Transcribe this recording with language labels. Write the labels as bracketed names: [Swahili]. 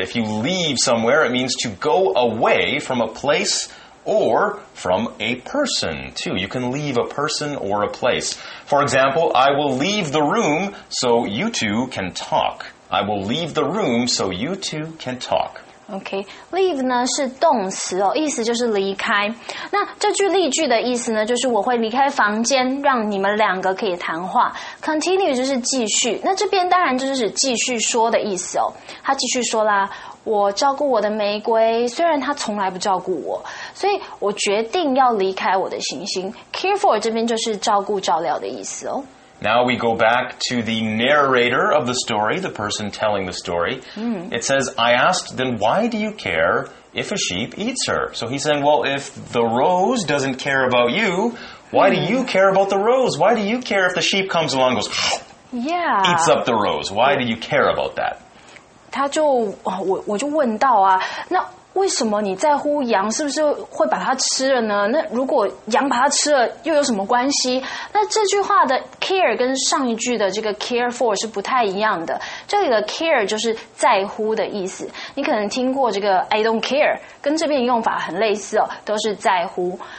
[English] If you leave somewhere, it means to go away from a place... Or from a person, too. You can leave a person or a place. For example, I will leave the room so you two can talk. I will leave the room so you two can talk. [Chinese] Okay, leave 呢是动词哦，意思就是离开。那这句例句的意思呢，就是我会离开房间，让你们两个可以谈话。 Continue 就是继续，那这边当然就是继续说的意思哦。他继续说啦。我照顾我的玫瑰，虽然它从来不照顾我，所以我决定要离开我的行星。 Care for 这边就是照顾、照料的意思哦。 [English] Now we go back to the narrator of the story, the person telling the story. It says, I asked, then why do you care if a sheep eats her? So he's saying, well, if the rose doesn't care about you, why do you care about the rose? Why do you care if the sheep comes along and goes, eats up the rose? Why do you care about that? [Chinese] 他就我就问到啊，那为什么你在乎羊是不是会把它吃了呢？那如果羊把它吃了又有什么关系？那这句话的 care 跟上一句的这个 care for 是不太一样的。这里的 care 就是在乎的意思。你可能听过这个 [English] I don't care， [Chinese] 跟这边用法很类似哦，都是在乎。